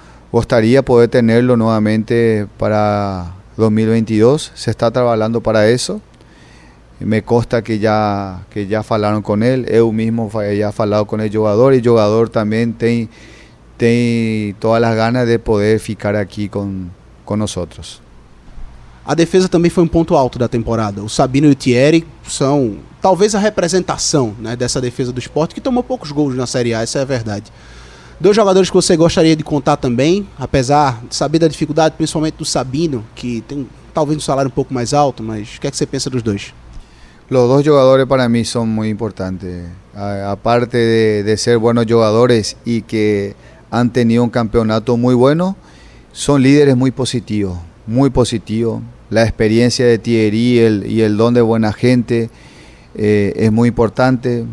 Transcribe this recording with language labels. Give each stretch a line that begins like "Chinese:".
Spanish: Gustaría poder tenerlo nuevamente para 2022. Se está trabajando para eso. Me consta que ya falaron con él. Yo mismo ya he hablado con el jugador, y el jugador también
Portuguese: tem todas as ganas de poder ficar aqui com nós. A defesa também foi um ponto alto da temporada. O Sabino e o Thierry são talvez a representação, né, dessa defesa do Sport, que tomou poucos gols na Série A, essa é a verdade. Dois jogadores que você gostaria de contar também, apesar de saber da dificuldade, principalmente do Sabino, que tem talvez um salário um pouco mais alto, mas o que é que você pensa dos dois?
Spanish: Los dos jugadores para mí son muy importantes. Aparte de ser buenos jugadores y que han tenido un campeonato muy bueno, son líderes muy positivos, muy positivos. La experiencia de Thierry y el don de buena gente es muy importante.